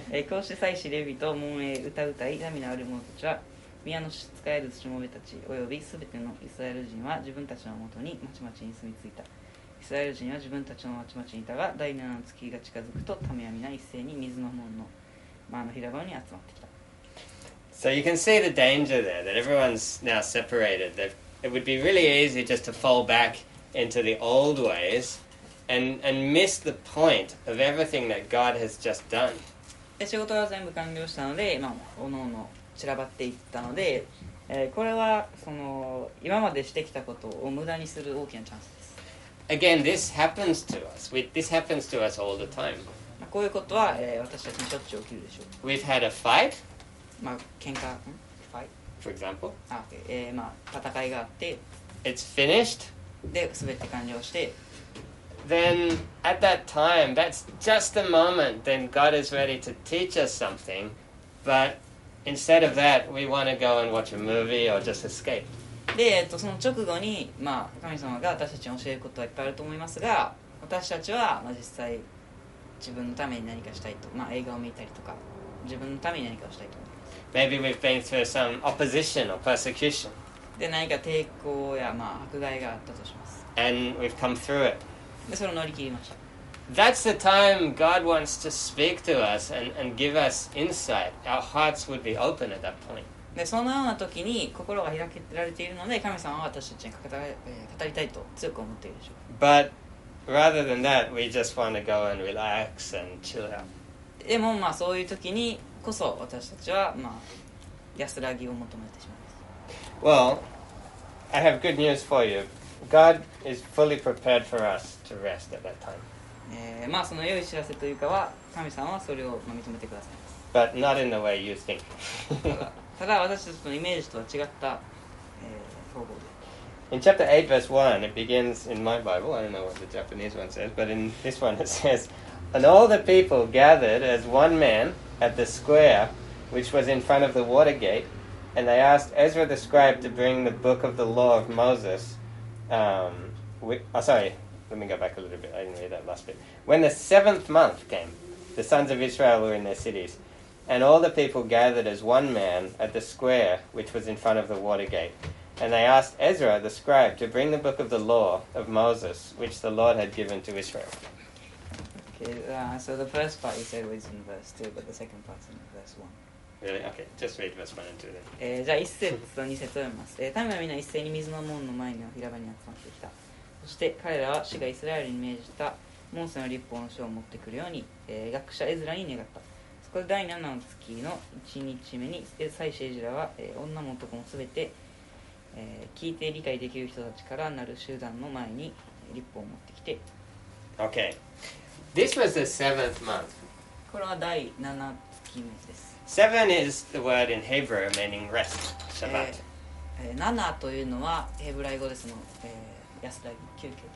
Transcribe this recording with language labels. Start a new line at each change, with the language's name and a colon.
Japanese: こうして祭司レビと門営歌うたい民のある者たちは宮の使えるしもべたちおよびすべてのイスラエル人は自分たちのもとに町々に住み着いた。イスラエル人は自分たちの町々にいたが第7の月が近づくと民は皆一斉に水の門の前の平場に集まってきた。
English: So you can see the danger there that everyone's now separated. It would be really easy just to fall back into the old waysAnd miss the point of everything that God has just done.
Japanese: で、仕事は全部完了したので、まあ、おのおの散らばっていったので、これはその今までしてきたことを無駄にする大きなチャンスです。
English: Again, this happens to us. This happens to us all the time.
Japanese: まあ、こういうことは、私たちにしょっちゅう起きるでしょう。
English: We've had a fight.
Japanese: まあ、喧嘩、fight.
English: For example.
Japanese: あ、okay. まあ、戦いがあって。
English: It's finished.
Japanese: で、すべて完了して。
English: Then at that time, that's just the moment then God is ready to teach us something. But instead of that, we want to go and watch a movie or just escape.
Japanese: で、その直後に、まあ、神様が私たちに教えることはいっぱいあると思いますが、私たちは、まあ、実際自分のために何かしたいと、まあ、映画を見たりとか、自分のために何かをしたいと思います。
English: Maybe we've been through some opposition or persecution.
Japanese: で、何か抵抗や、まあ、迫害があったとします。
English: And we've come through it.
Japanese: でそれを乗り切りました。
English: That's the time God wants to speak to us and give us insight. Our hearts would be open at that point.
Japanese: でそのような時に心が開けられているので神様は私たちに語りたいと強く思っているでしょう。
English: But rather than that, we just want to go and relax and chill out.
Japanese: でもまあそういう時にこそ私たちはまあ安らぎを求めてしまいます。
English: Well, I have good news for you. God is fully prepared for us to rest at that time.
Japanese: まあその良い知らせというかは、神様はそれを認めてくださいます。
English: But not in the way you think.
Japanese: ただ私たちのイメージとは違った、方法で。
English: In chapter 8 verse 1, it begins in my Bible, I don't know what the Japanese one says, but in this one it says, And all the people gathered as one man at the square, which was in front of the water gate, and they asked Ezra the scribe to bring the book of the law of Moses,let me go back a little bit. I didn't read that last bit. When the seventh month came, the sons of Israel were in their cities, and all the people gathered as one man at the square which was in front of the water gate. And they asked Ezra the scribe to bring the book of the law of Moses, which the Lord had given to Israel. Okay, so the first part you said was in verse 2, but the second part's in verse 1. Really? Okay, just read verse 1 and 2 then.
Japanese: じゃあ1節と2節を読みます。民は皆一斉に水の門の前の平場に集まってきた。そして彼らは主がイスラエルに命じたモーセの律法の書を持ってくるように、学者エズラに願った。そこで第7の月の1日目に祭司エズラは、女も男もすべて、聞いて理解できる人たちからなる集団の前に律法を持ってきて。
English: OK This was the seventh month.
Japanese: これは第7月目です。
English: Seven is the word in Hebrew meaning rest, Shabbat.
Japanese: 7というのはヘブライ語ですの、安らぎ、休憩